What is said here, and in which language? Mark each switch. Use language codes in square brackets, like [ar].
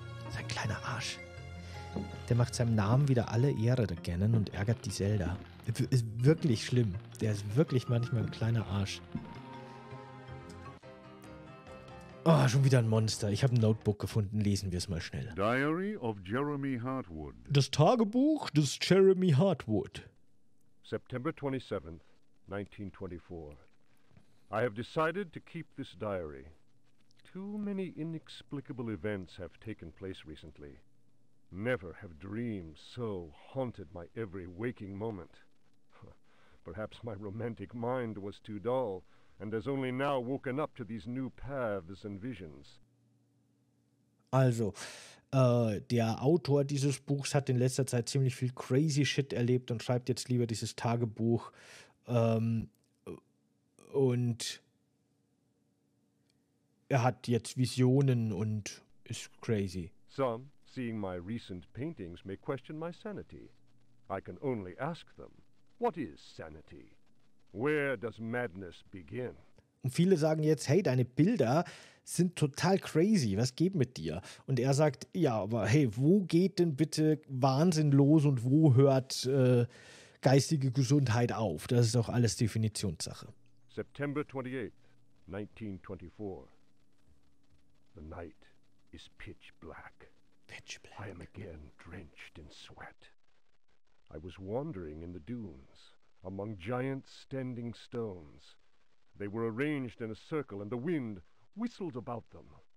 [de] Sein kleiner Arsch. Der macht seinem Namen wieder alle Ehre, der Gannon, und ärgert die Zelda. Ist wirklich schlimm. Der ist wirklich manchmal ein kleiner Arsch. Oh, schon wieder ein Monster. Ich habe ein Notebook gefunden. Lesen wir es mal schnell. [en] Diary of Jeremy Hartwood. [de] Das Tagebuch des Jeremy Hartwood. [en] September 27th, 1924. I have decided to keep this diary. Too many inexplicable events have taken place recently. Never have dreams so haunted my every waking moment. Perhaps my romantic mind was too dull and has only now woken up to these new paths and visions. [de] Also, der Autor dieses Buchs hat in letzter Zeit ziemlich viel [en] crazy shit [de] erlebt und schreibt jetzt lieber dieses Tagebuch. Und er hat jetzt Visionen und ist crazy. [en] Some, seeing my recent paintings, may question my sanity. I can only ask them, what is sanity? Where does madness begin? [de] Und viele sagen jetzt, hey, deine Bilder sind total crazy, was geht mit dir? Und er sagt, ja, aber hey, wo geht denn bitte Wahnsinn los und wo hört geistige Gesundheit auf? Das ist doch alles Definitionssache. [en] September 28, 1924. The night is pitch black. Pitch black. I am again drenched in sweat. I was wandering in the dunes, among giant standing stones. They were arranged in a circle and the wind whistled about them.